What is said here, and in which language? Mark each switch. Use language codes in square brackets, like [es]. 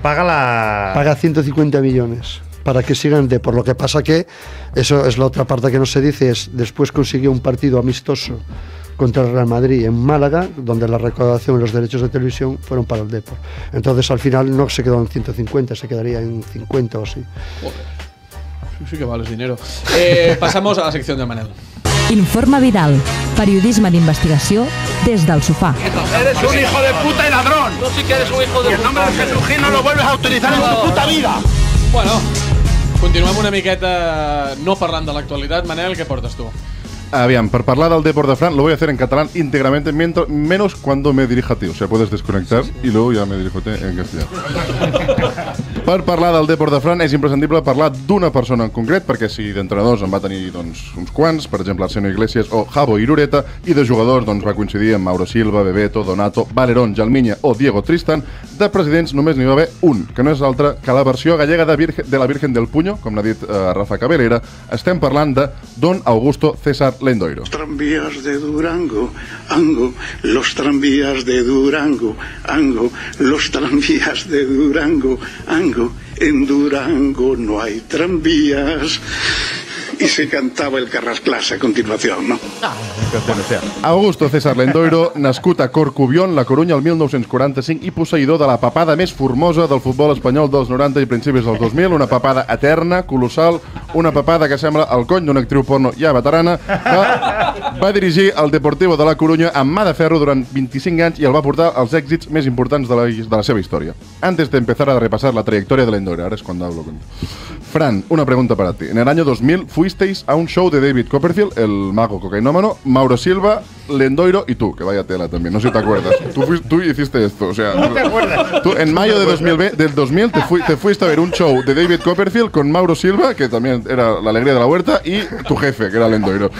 [es] paga 150 millones para que sigan de, por lo que pasa que eso es la otra parte que no se dice, es después consiguió un partido amistoso contra el Real Madrid en Málaga, donde la recaudación y los derechos de televisión fueron para el Depor. Entonces, al final, no se quedó en 150, se quedaría en 50 o así. Joder. Sí que vales dinero. Passamos a la sección de Manel. [ca] Informa Vidal. Periodisme d'investigació des del sofà. [es] Eres un hijo de puta y ladrón. No sé que eres un hijo de puta. El nombre de Jesús Gil no lo vuelves a utilizar en tu puta vida. [ca] Bueno, continuem una miqueta no parlant de l'actualitat. Manel, què portes tu? Aviam, per parlar del Depor de Fran, [es] lo voy a hacer en catalán íntegramente, mientras, menos cuando me dirija a ti. O sea, puedes desconectar y luego ya me dirijo a ti en castellà. [ca] Per parlar del Depor de Fran, és imprescindible parlar d'una persona en concret, perquè si d'entrenadors en va tenir doncs, uns quants, per exemple, Arsenio Iglesias o Javo Irureta, i de jugadors doncs, va coincidir amb Mauro Silva, Bebeto, Donato, Valerón, Gelmiña o Diego Tristan, de presidents només n'hi va haver un, que no és altre que la versió gallega de la Virgen del Puño, com n'ha dit Rafa Cabellera. Estem parlant de Don Augusto César Lendoiro. [es] Tranvías de Durango, ango, los tranvías de Durango, ango, los tranvías de Durango, ango, en Durango no hay tranvías. Y se cantava el Carrasclas a continuación, ¿no? [ca] Augusto César Lendoiro, nascut a Corcubión, la Coruña, el 1945 i posseïdor de la papada més formosa del futbol espanyol dels 90 i principis del 2000, una papada eterna, colossal, una papada que sembla el cony d'una actriu porno ja veterana, que va dirigir el Deportivo de la Coruña amb mà de ferro durant 25 anys i el va portar als èxits més importants de la seva història. [es] Antes de empezar a repasar la trajectòria de Lendoiro, [ca] ara és quan [es] hablo. Fran, una pregunta [ca] per a ti. [es] En el año 2000 fuisteis a un show de David Copperfield, el mago cocainómano, Mauro Silva, Lendoiro y tú, que vaya tela también, no sé si te acuerdas. Tú hiciste esto, o sea... No te acuerdas. Tú, en mayo de 2000, del 2000 te fuiste a ver un show de David Copperfield con Mauro Silva, que también era la alegría de la huerta, y tu jefe, que era Lendoiro.